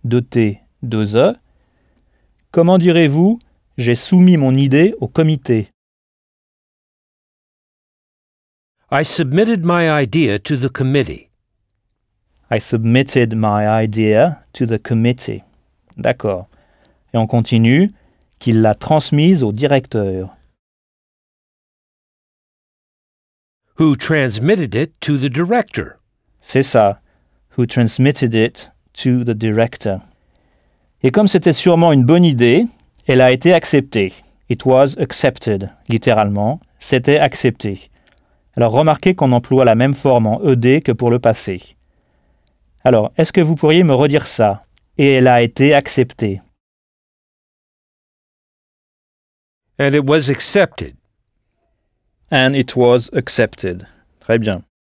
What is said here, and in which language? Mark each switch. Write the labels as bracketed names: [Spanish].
[French] C-O-2-M-I-2-T-2-E. Comment direz-vous « j'ai soumis mon idée au comité » ? [English] I submitted my idea to the committee. I submitted my idea to the committee. [French] D'accord. Et on continue « qu'il l'a transmise au directeur » ? [English] Who transmitted it to the director. [French] C'est ça. [English] Who transmitted it to the director. [French] Et comme c'était sûrement une bonne idée, elle a été acceptée. [English] It was accepted, [French] littéralement. C'était accepté. Alors remarquez qu'on emploie la même forme en ED que pour le passé. Alors, est-ce que vous pourriez me redire ça? Et elle a été acceptée. [English] And it was accepted. And it was accepted. [French] Très bien.